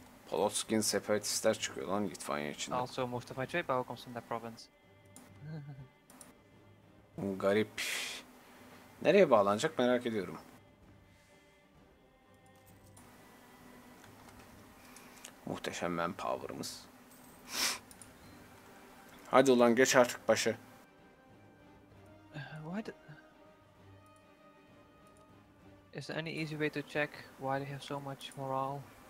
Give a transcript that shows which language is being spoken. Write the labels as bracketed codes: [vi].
[tr] Polotskin separatistler çıkıyor lan Litvanya içinde. [en] Also most of my trade power comes from that province. [tr] Garip. Nereye bağlanacak merak ediyorum. Muhteşem manpower'ımız. Hadi ulan geç artık başı. [en] Is there any easy way to check why they have so much morale?